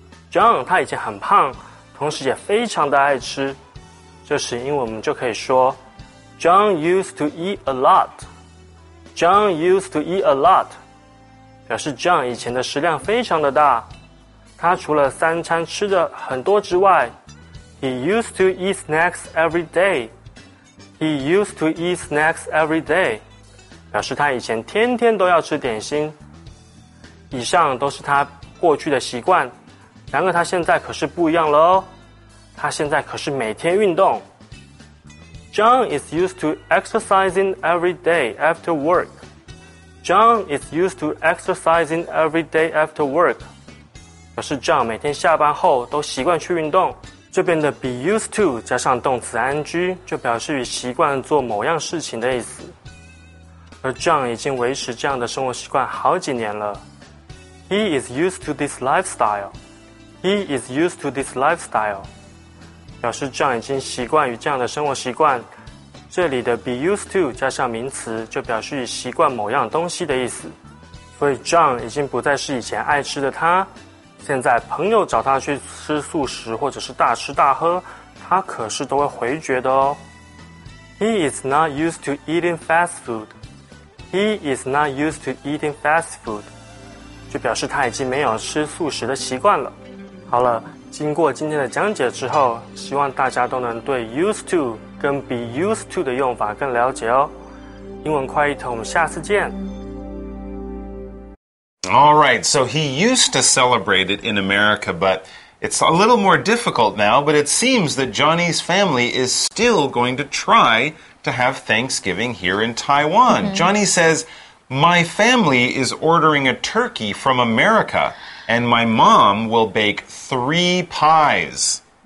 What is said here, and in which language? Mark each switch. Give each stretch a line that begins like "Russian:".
Chinese: John 他以前很胖，同时也非常的爱吃，这时英文我们就可以说
English: John used to eat a lot，
Chinese: John used to eat a lot， 表示 John 以前的食量非常的大，他除了三餐吃的很多之外，
English: He used to eat snacks every day，
Chinese: He used to eat snacks every day，表示他以前天天都要吃点心。以上都是他过去的习惯，然而他现在可是不一样了哦，他现在可是每天运动。
English: John is used to exercising every day after work， John is used to exercising every day after work，
Chinese: 表示 John 每天下班后都习惯去运动。这边的 be used to 加上动词 ing 就表示习惯做某样事情的意思，而 John 已经维持这样的生活习惯好几年了。
English: He is used to this lifestyle， He is used to this lifestyle，
Chinese: 表示 John 已经习惯于这样的生活习惯。这里的 be used to 加上名词就表示习惯某样东西的意思，所以 John 已经不再是以前爱吃的他，现在朋友找他去吃素食或者是大吃大喝，他可是都会回绝的哦。
English: He is not used to eating fast foodHe is not used to eating fast food，
Chinese: 就表示他已经没有吃素食的习惯了。好了，经过今天的讲解之后，希望大家都能对 used to 跟 be used to 的用法更了解哦。英文快译通，我们下次见。
English: All right, so he used to celebrate it in America, but it's a little more difficult now, but it seems that Johnny's family is still going to try... to have Thanksgiving here in Taiwan. Mm-hmm. Johnny says, my family is ordering a turkey from America, and my mom will bake 3 pies.